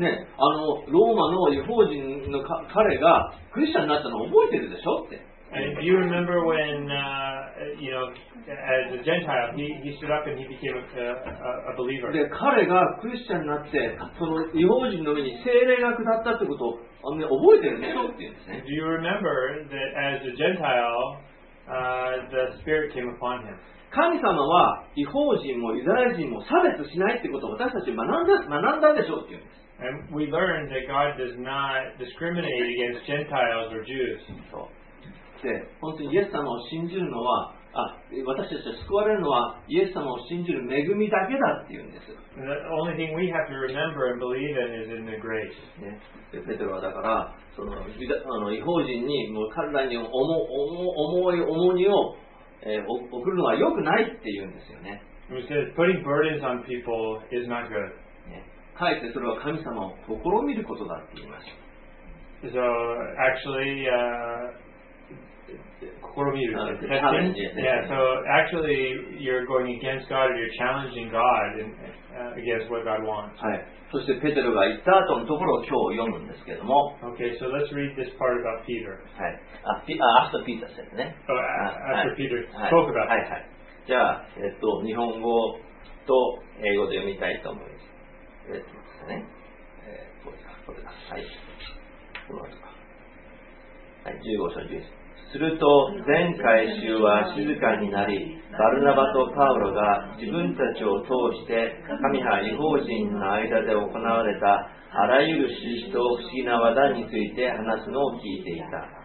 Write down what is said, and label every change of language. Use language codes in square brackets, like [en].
[ja] ね、ローマの異邦人の彼がクリスチャンになったのを覚えてるでしょって。 [en] And do you remember when as a Gentile he stood up and he became a believer? [ja] で、彼がクリスチャンになってその異邦人の上に聖霊が下ったってことを覚えてるでしょって言うんですね。 [en] Do you remember that as a Gentile? The Spirit came upon him. [ja] 神様は異邦人もユダヤ人も差別しないってことを私たち学んだでしょうって言うんです。 [en] And we learned that God does not discriminate against Gentiles or Jews. [ja] そう。で、本当にイエス様を信じるのは、私たちが救われるのはイエス様を信じる恵みだけだって言うんです。 [en] The only thing we have to remember and believe in is in the grace. [ja] ね。で、ペテロはだからその異邦人にもう彼らに重い重荷を、送るのは良くないって言うんですよね。 [en] He says, putting burdens on people is not good. [ja] ね。かえってそれは神様を試みることだって言います。 [en] So, actually, actually, you're going against God, you're challenging God against what God wants. [ja] はい。そしてペテロが言った後のところを今日読むんですけども。 [en] Okay, so let's read this part about Peter. [ja] はい。 [en] After Peter said, ね。 After Peter spoke about. [ja] はいはい。じゃあ、日本語と英語で読みたいと思います。ね。これだ。はい。この後か。はい、15章11節。すると全会衆は静かになり、バルナバとパウロが自分たちを通して神派異邦人の間で行われたあらゆる印と不思議な技について話すのを聞いていた。